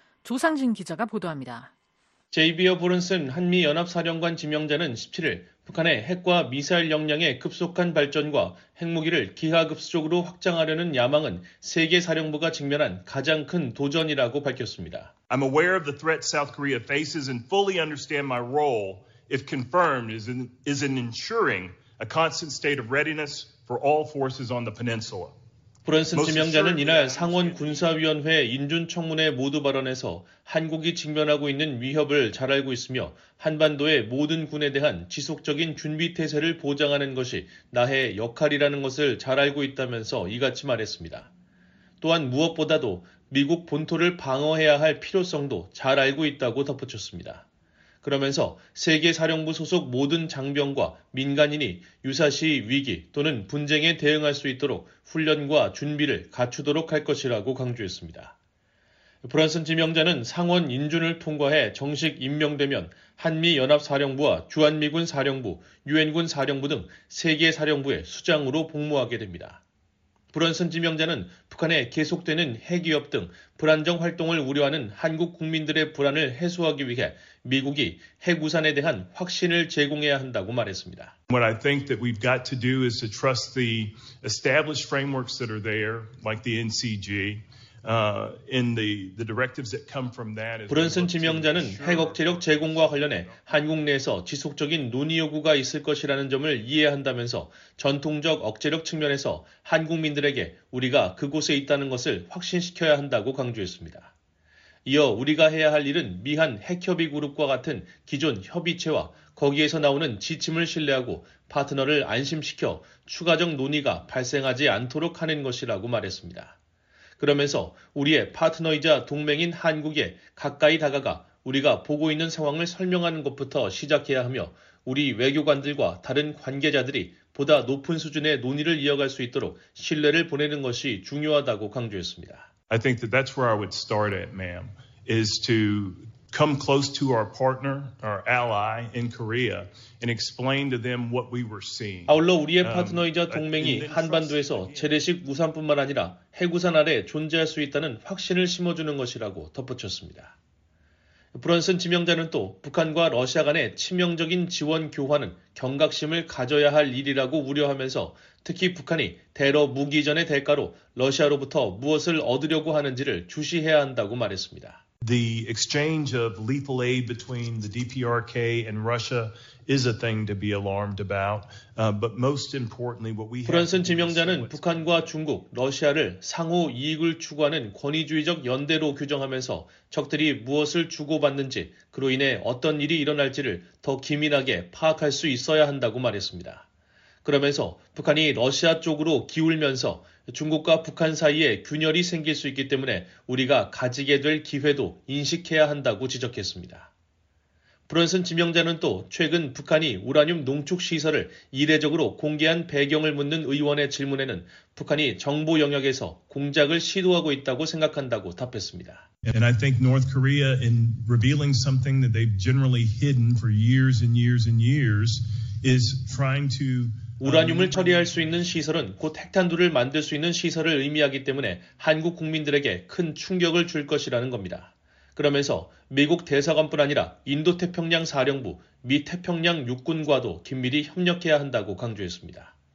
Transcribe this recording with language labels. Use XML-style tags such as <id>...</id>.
<ko>조상진 기자가 보도합니다. JBO 브룬슨 한미연합사령관 지명자는 17일 북한의 핵과 미사일 역량의 급속한 발전과 핵무기를 기하급수적으로 확장하려는 야망은 세계사령부가 직면한 가장 큰 도전이라고 밝혔습니다.</ko> <en>I'm aware of the threat South Korea faces and fully understand my role, if confirmed, is in ensuring a constant state of readiness for all forces on the peninsula.</en> <ko>브런슨 지명자는 이날 상원 군사위원회 인준 청문회 모두 발언에서 한국이 직면하고 있는 위협을 잘 알고 있으며 한반도의 모든 군에 대한 지속적인 준비 태세를 보장하는 것이 나의 역할이라는 것을 잘 알고 있다면서 이같이 말했습니다. 또한 무엇보다도 미국 본토를 방어해야 할 필요성도 잘 알고 있다고 덧붙였습니다. 그러면서 세계사령부 소속 모든 장병과 민간인이 유사시 위기 또는 분쟁에 대응할 수 있도록 훈련과 준비를 갖추도록 할 것이라고 강조했습니다. 브런슨 지명자는 상원 인준을 통과해 정식 임명되면 한미연합사령부와 주한미군 사령부, 유엔군 사령부 등 세계사령부의 수장으로 복무하게 됩니다. 브런슨 지명자는 북한의 계속되는 핵위협 등 불안정 활동을 우려하는 한국 국민들의 불안을 해소하기 위해 미국이 핵우산에 대한 확신을 제공해야 한다고 말했습니다.</ko> <en>What I think that we've got to do is to trust the established frameworks that are there, like the NCG. In the directives that come from that,</en> <ko>브런슨 지명자는 핵 억제력 제공과 관련해 한국 내에서 지속적인 논의 요구가 있을 것이라는 점을 이해한다면서 전통적 억제력 측면에서 한국민들에게 우리가 그곳에 있다는 것을 확신시켜야 한다고 강조했습니다. 이어 우리가 해야 할 일은 미한 핵협의 그룹과 같은 기존 협의체와 거기에서 나오는 지침을 신뢰하고 파트너를 안심시켜 추가적 논의가 발생하지 않도록 하는 것이라고 말했습니다. 그러면서 우리의 파트너이자 동맹인 한국에 가까이 다가가 우리가 보고 있는 상황을 설명하는 것부터 시작해야 하며 우리 외교관들과 다른 관계자들이 보다 높은 수준의 논의를 이어갈 수 있도록 신뢰를 보내는 것이 중요하다고 강조했습니다.</ko> <en>I think that that's where I would start at, ma'am, is to come close to our partner, our ally in Korea, and explain to them what we were seeing.</en> <ko>아울러 우리의 파트너이자 동맹이 한반도에서 재래식 우산뿐만 아니라 핵우산 아래 존재할 수 있다는 확신을 심어주는 것이라고 덧붙였습니다. 브런슨 지명자는 또 북한과 러시아 간의 치명적인 지원 교환은 경각심을 가져야 할 일이라고 우려하면서 특히 북한이 대러 무기 이전의 대가로 러시아로부터 무엇을 얻으려고 하는지를 주시해야 한다고 말했습니다.</ko> <en>The exchange of lethal aid between the DPRK and Russia is a thing to be alarmed about. But most importantly, what we have.</en> <ko>브런슨 지명자는 북한과 중국, 러시아를 상호 이익을 추구하는 권위주의적 연대로 규정하면서 적들이 무엇을 주고받는지, 그로 인해 어떤 일이 일어날지를 더 기민하게 파악할 수 있어야 한다고 말했습니다. 그러면서 북한이 러시아 쪽으로 기울면서 중국과 북한 사이에 균열이 생길 수 있기 때문에 우리가 가지게 될 기회도 인식해야 한다고 지적했습니다. 브런슨 지명자는 또 최근 북한이 우라늄 농축 시설을 이례적으로 공개한 배경을 묻는 의원의 질문에는 북한이 정보 영역에서 공작을 시도하고 있다고 생각한다고 답했습니다.</ko> <en>And I think North Korea in revealing something that they've generally hidden for years and years and years is trying to</en> <ko>우라늄을 처리할 수 있는 시설은 곧 핵탄두를 만들 수 있는 시설을 의미하기 때문에 한국 국민들에게 큰 충격을 줄 것이라는 겁니다. 그러면서 미국 대사관뿐 아니라 인도태평양 사령부, 미태평양 육군과도 긴밀히 협력해야 한다고 강조했습니다.</ko>